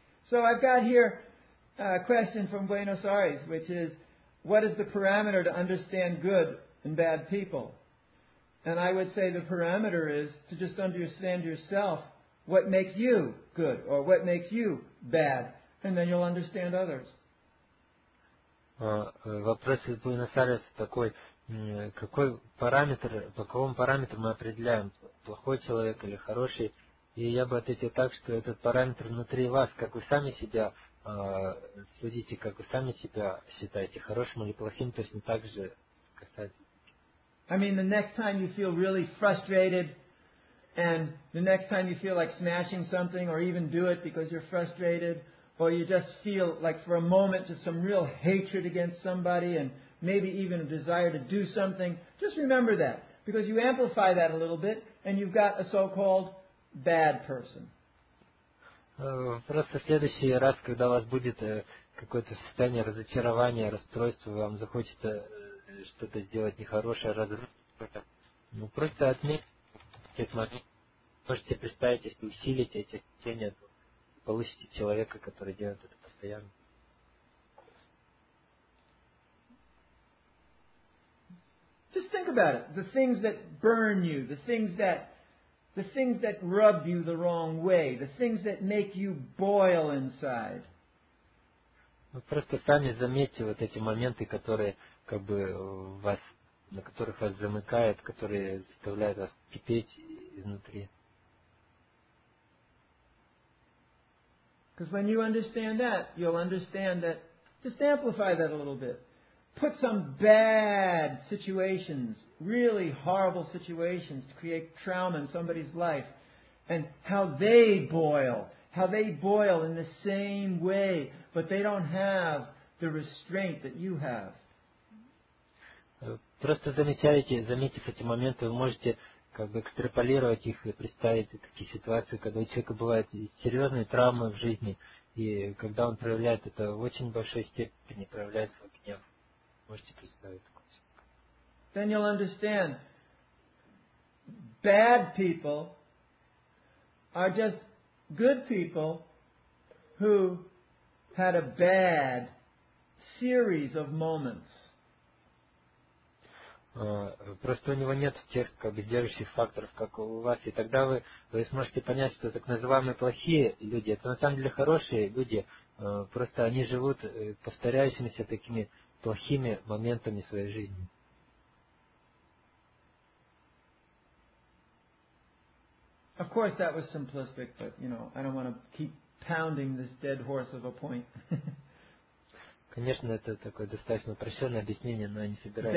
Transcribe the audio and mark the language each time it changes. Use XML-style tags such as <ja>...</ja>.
<en>So I've got here a question from Buenos Aires, which is, what is the parameter to understand good and bad people? And I would say the parameter is to just understand yourself, what makes you good or what makes you bad, and then you'll understand others.</en> <ru>Вопрос из Буэнос-Айреса такой, какой параметр, по какому параметру мы определяем, плохой человек или хороший? И я бы ответил так, что этот параметр внутри вас, как вы сами себя судите, как вы сами себя считаете, хорошим или плохим, точно так же касается.</ru> <en>I mean, the next time you feel really frustrated, and the next time you feel like smashing something, or even do it because you're frustrated, or you just feel like for a moment just some real hatred against somebody, and maybe even a desire to do something, just remember that, because you amplify that a little bit, and you've got a so-called bad person.</en> <ru>Просто в следующий раз, когда у вас будет какое-то состояние разочарования, расстройства, вам захочется что-то сделать нехорошее, разрушить, ну просто отметьте этот момент. Можете представить, если усилите эти ощущения, получите человека, который делает это постоянно.</ru> <en>Just think about it. The things that burn you, the things that rub you the wrong way, the things that make you boil inside.</en> <ru>Вы просто сами заметьте вот эти моменты, которые как бы вас, на которых вас замыкает, которые заставляют вас кипеть изнутри.</ru> <en>Because when you understand that, you'll understand that, just amplify that a little bit. Put some bad situations, really horrible situations, to create trauma in somebody's life, and how they boil in the same way, but they don't have the restraint that you have.</en> <ru>Просто заметив эти моменты, вы можете как бы экстраполировать их и представить такие ситуации, когда у человека бывают серьезные травмы в жизни, и когда он проявляет это в очень большой степени, проявляет свой гнев. Можете представить такой человек.</ru> <en>Then you'll understand. Bad people are just good people who had a bad series of moments.</en> <ru>Просто у него нет тех как бы сдерживающих факторов, как у вас. И тогда вы сможете понять, что так называемые плохие люди, это на самом деле хорошие люди. Просто они живут повторяющимися такими плохими моментами своей жизни.</ru> <en>Of course, that was simplistic, but, you know, I don't want to keep pounding this dead horse of a point.</en> <ru>Конечно, это такое достаточно упрощенное объяснение, но я не собираюсь.</ru>